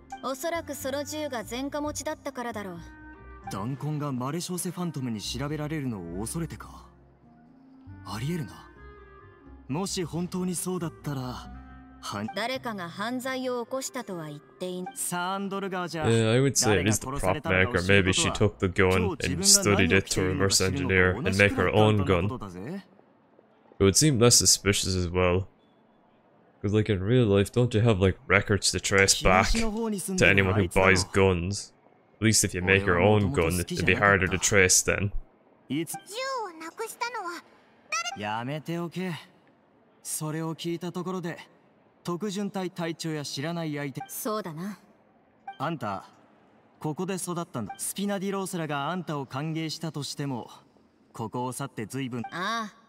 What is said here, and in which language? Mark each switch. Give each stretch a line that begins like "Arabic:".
Japanese: おそらくその銃が前科持ちだったからだろう。ダンコンがマレショーセファントムに調べられるのを恐れてか。ありえるな。もし本当にそうだったら、誰かが犯罪を起こしたとは言っていん。サンドルガーじゃ。
English: Yeah, I would say it is the prop maker. Maybe she took the gun and studied it to reverse engineer and make her own gun. It would seem less suspicious as well. Because, like, in real life, don't you have, like, records to trace back to anyone who buys guns? At least if you make your own gun, it'd be harder to trace then.
Japanese: やめておけ。それを聞いたところで、特巡隊隊長や知らない相手。そうだな。あんた、ここで育ったんだ。スピナディローセラがあんたを歓迎したとしても、ここを去って随分。ああ。